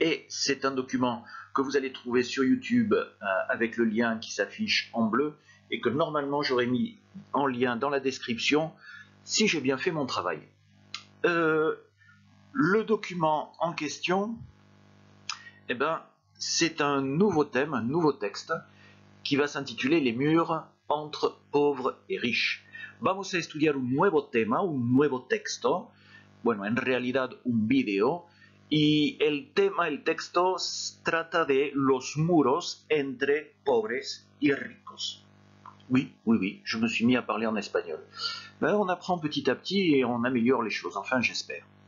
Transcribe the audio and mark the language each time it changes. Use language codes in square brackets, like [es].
[fr] Et c'est un document que vous allez trouver sur YouTube avec le lien qui s'affiche en bleu et que normalement j'aurais mis en lien dans la description si j'ai bien fait mon travail. Le document en question, eh ben, c'est un nouveau thème, un nouveau texte qui va s'intituler « Les murs entre pauvres et riches ». [es] Vamos a estudiar un nuevo tema, un nuevo texto, bueno, en realidad un video, y el tema, el texto, trata de los muros entre pobres y ricos. [fr] Oui, oui, oui, je me suis mis à parler en espagnol. Ben, on apprend petit à petit et on améliore les choses, enfin j'espère.